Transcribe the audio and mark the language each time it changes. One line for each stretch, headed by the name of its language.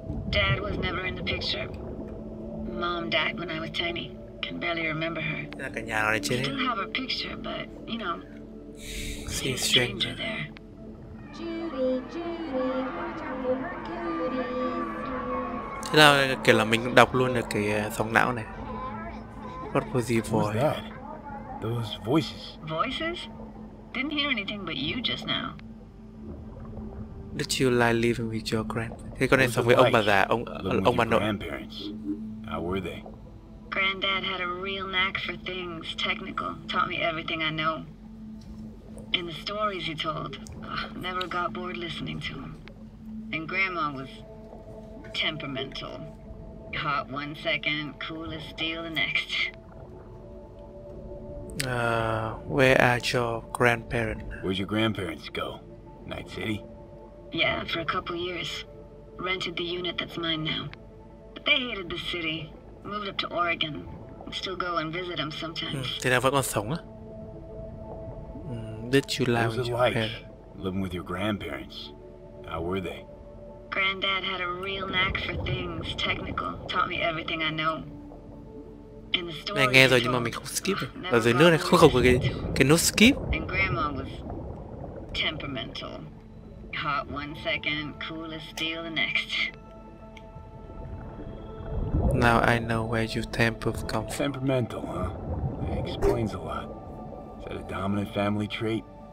English: Dad was never in the picture. Mom died when I was tiny. Can barely remember her. We still have her picture, but, you know, she's a stranger there. Judy, Judy, watch out for her cooties.
Vietnamese: Thế là kiểu là mình đọc luôn được cái sóng não này.
English: What was he for? Who's that? Those voices. Voices? Didn't hear anything but you just now. Did you lie living with your grandparents?
Vietnamese: Thế con này sống với ông bà già, ông bà nội.
English: Grandparents. How were they? Granddad had a real knack for things technical. Taught me everything I know. And the stories he told, never got bored listening to him. And grandma was temperamental. Hot one second, cool as steel the next. Where are your grandparents? Where'd your grandparents go? Night City? Yeah, for a couple years. Rented the unit that's mine now. But they hated the city. Moved up to Oregon. Still go and visit them sometimes.
Vietnamese: Thế nào vẫn còn sống á?
English: Did you live with your parents? Living with your grandparents. How were they? Granddad had a real knack for things technical. Taught me everything I know.
Vietnamese: Này nghe rồi nhưng mà mình không skip được. Ở dưới nước này không có cái nút skip.
English: And grandma was temperamental. Hot one second, cool as steel the next. Now I know where your temper comes from. Temperamental, huh? That explains a lot. Is that a dominant family trait?